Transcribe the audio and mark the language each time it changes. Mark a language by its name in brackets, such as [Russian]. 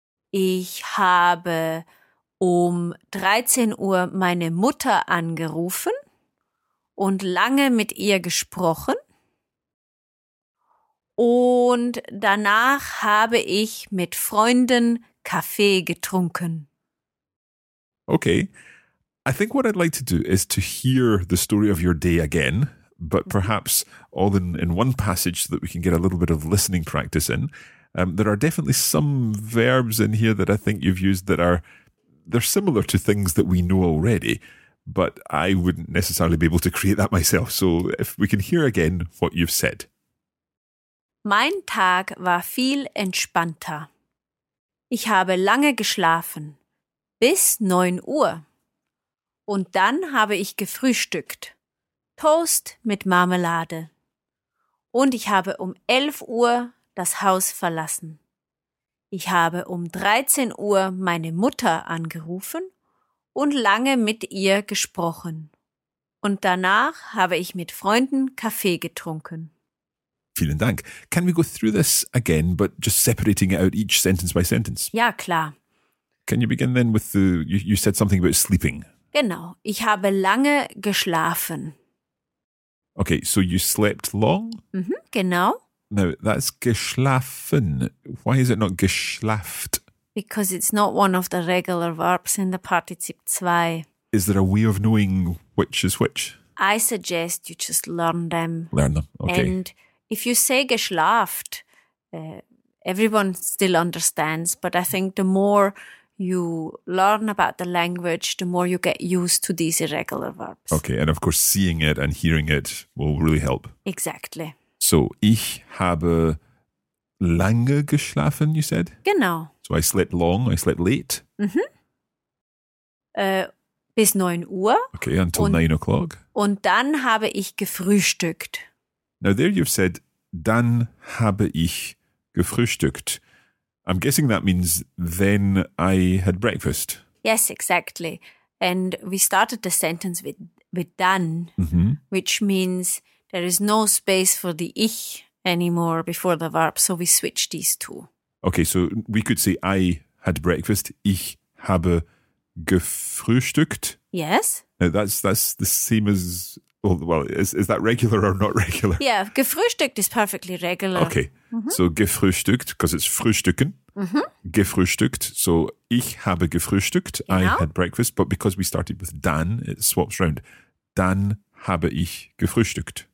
[German] Ich habe um 13 Uhr meine Mutter angerufen und lange mit ihr gesprochen. Und danach habe ich mit Freunden Kaffee getrunken. [English] Okay, I think what I'd like to do is to hear the story of your day again, but perhaps all in one passage so that we can get a little bit of listening practice in. There are definitely some verbs in here that I think you've used that are, they're similar to things that we know already, but I wouldn't necessarily be able to create that myself. So if we can hear again what you've said. [German] Mein Tag war viel entspannter. Ich habe lange geschlafen, bis 9 Uhr. Und dann habe ich gefrühstückt. Toast mit Marmelade. Und ich habe um 11 Uhr das Haus verlassen. Ich habe um 13 Uhr meine Mutter angerufen und lange mit ihr gesprochen. Und danach habe ich mit Freunden Kaffee getrunken. Vielen Dank. [English] Can we go through this again, but just separating it out each sentence by sentence? [German] Ja, klar. [English] Can you begin then with you said something about sleeping. [German] Genau. Ich habe lange geschlafen. [English] Okay, so you slept long? [German] Mhm, genau. [English] Now, that's geschlafen. Why is it not geschlaft? Because it's not one of the regular verbs in the Partizip 2. Is there a way of knowing which is which? I suggest you just learn them. Learn them, okay. And if you say geschlaft, everyone still understands, but I think the more you learn about the language, the more you get used to these irregular verbs. Okay, and of course seeing it and hearing it will really help. Exactly. [German] So, ich habe lange geschlafen, [English] you said? [German] Genau. [English] So I slept long, I slept late? Mm-hmm. [German] Bis 9 Uhr. [English] Okay, until 9 o'clock. [German] Und dann habe ich gefrühstückt. [English] Now there you've said, [German] dann habe ich gefrühstückt. [English] I'm guessing that means then I had breakfast. Yes, exactly. And we started the sentence with dann, mm-hmm. which means there is no space for the ich anymore before the verb. So we switch these two. Okay, so we could say I had breakfast. [German] Ich habe gefrühstückt. [English] Yes. Now that's the same as, well, is that regular or not regular? Yeah, gefrühstückt is perfectly regular. Okay. So gefrühstückt, because it's frühstücken, gefrühstückt. [German] So ich habe gefrühstückt, genau. [English] I had breakfast, but because we started with dann, it swaps round. [German] Dann habe ich gefrühstückt.